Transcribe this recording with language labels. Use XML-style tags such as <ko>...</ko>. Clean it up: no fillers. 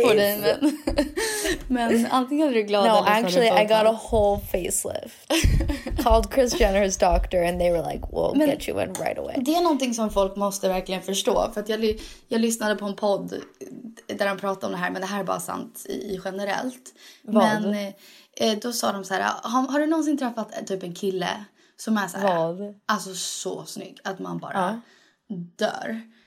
<sv>vet inte om jag litar på dig, men antingen är du glad.</sv> <en>No, actually, I got a whole facelift. Called Kris Jenner's doctor and they were like, we'll men get you in right away.</en> <sv>Det är någonting som folk måste verkligen förstå. För att jag lyssnade på en podd där de pratade om det här, men det här är bara sant i generellt. Vad? Men då sa de så här, har du någonsin träffat typ en kille som är så här, vad? Alltså så snygg att man bara dör.</sv>